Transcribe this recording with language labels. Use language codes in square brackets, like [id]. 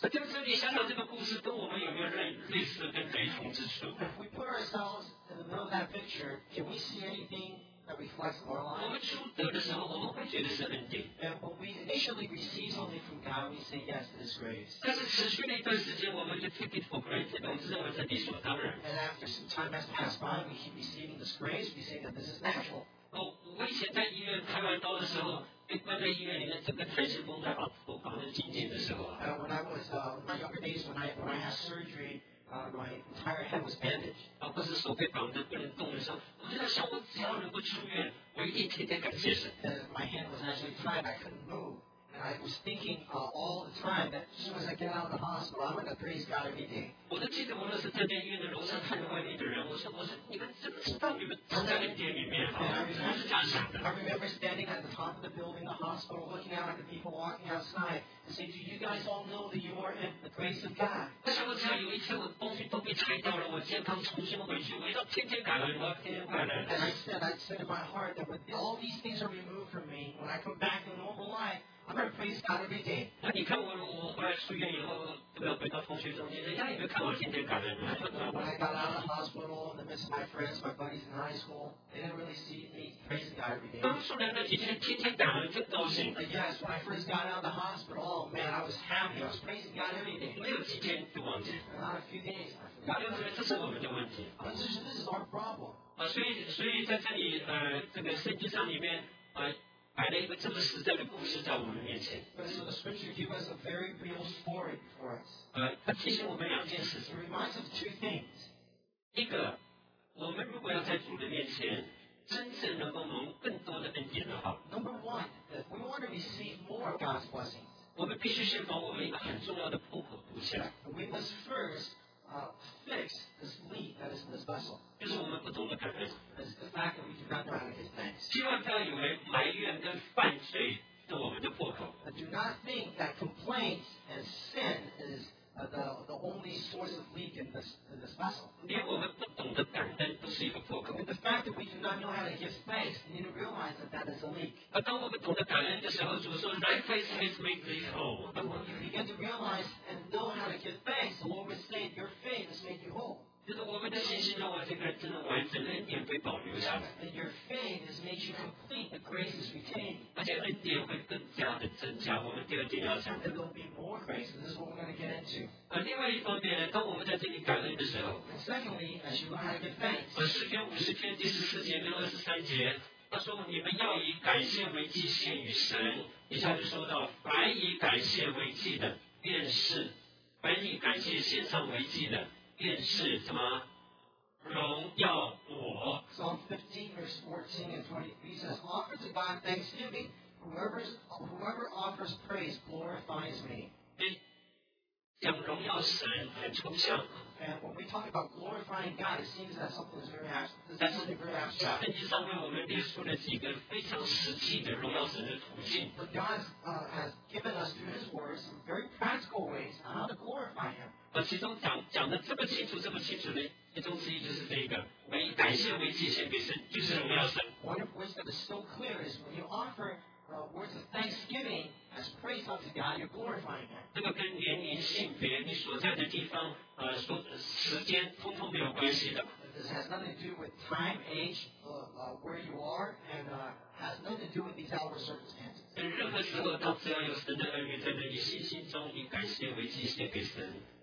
[en] If we put ourselves in the middle of that picture, can we see anything that reflects our life. [zh] 我们初得的时候，我们会觉得是恩典。 [en] And when we initially receive something from God, we say yes, it is grace. [zh] 但是持续了一段时间，我们就 [en] take it for granted， [zh] 我们认为这理所当然。 [en] And after some time has passed by, we keep receiving this grace, we say that this is natural. [zh] 我以前在医院开完刀的时候。关在医院里面，整个全身绷带绑得紧紧的时候。 [en] When I was my younger days, when I had surgery, my entire head was bandaged. [zh] 不是手被绑得不能动的时候，我就在想，我只要能够出院，我一定天天感谢神。 [en] My hand was actually tied, I couldn't move, and I was thinking all the time that as soon as I get out of the hospital, I'm going to praise God every day. [zh] 我都记得我那时在医院的楼上看着外面的人，我说你们怎么知道你们？ [en] I remember standing at the top of the building, the hospital, looking out at the people walking outside, and saying, "Do you guys all know that you are in the grace of God?" I just want to tell you, one day my things all got torn down, my health came back, I just want to every day thank God. And I said in my heart that when all these things are removed from me, when I come back to normal life, I'm going to praise God every day. [zh] 那你看我回来出院以后，对不对？回到同学中间，人家也没看我天天感恩。 [en] When I got out of the hospital, in the midst of my friends, my buddies in high school, they didn't really see me praising God every day. [zh] 刚出来那几天，天天感恩，就高兴。 [en] Yes, when I first got out of the hospital, oh man, I was happy. I was praising God every day. [zh] 没有几天就忘记。 [en] Not a few days. [zh] 因为这是我们的问题。 [en] But this is our problem. [zh] 所以在这里，这个圣经上里面，摆了一个这么实在的故事在我们面前。 [en] But so the scripture gives us a very real story for us. [zh] 它提醒我们两件事。 [en] It reminds us two things. [zh] 一个，我们如果要在主的面前真正能够蒙更多的恩典的话 [en] ，Number one, if we want to receive more of God's blessings, [zh] 我们必须先把我们一个很重要的破口堵起来。 [en] We must first fix this leak that is in this vessel. [zh] 就是我们不懂得感恩。 [en] It's the fact that we do not know how to give thanks. [zh] 希望不要以为埋怨跟犯罪是我们的破口。 [en] But do not think that complaints and sin is the only source of leak in this vessel. [zh] 因为我们不懂得感恩不是一个破口。 [en] But the fact that we do not know how to give thanks, we need to realize that that is a leak. [zh] 当我们懂得感恩的时候，主说 [en] Thy faith has made thee whole. But when you begin to realize and know how to give thanks, the Lord will say your faith has made you whole. [zh] 就是我们的信心让我这个真的完整的恩典被保留下来。 [en] Your faith has made you complete, the grace is retained. [zh] 而且恩典会更加的增加。我们第二点要讲。 [en] There will be more grace, and this is what we're going to get into. [zh] 另外一方面呢，当我们在这里感恩的时候。 [en] Secondly, as you learn how to give thanks. [zh] 诗篇五十篇第十四节跟二十三节，他说：“你们要以感谢为祭献与神。” 一下就说到：“凡以感谢为祭的，便是；凡以感谢献上为祭的。” 便是什么荣耀我 [en] Psalm 15 verse 14 and 23 says offer to God thanksgiving whoever offers praise glorifies me [zh] 讲荣耀神很抽象 [en] and when we talk about glorifying God it seems that something is very abstract [zh] 圣经上面我们列出了几个非常实际的荣耀神的途径 [en] but God has given us through his word some very practical ways on how to glorify him [zh] 其中 讲得这么清楚这么清楚的其中之一就是这个我以感谢为祭献给神就是荣耀神 [en] One of which that is so clear is when you offer words of thanksgiving as praise unto God you're glorifying Him [zh] 这个跟年龄性别你所在的地方所时间通通没有关系的 [en] This has nothing to do with time, age, where you are and has nothing to do with these outward circumstances [zh] 任何时候到只要有神的恩典在那里信心中以感谢为祭献给神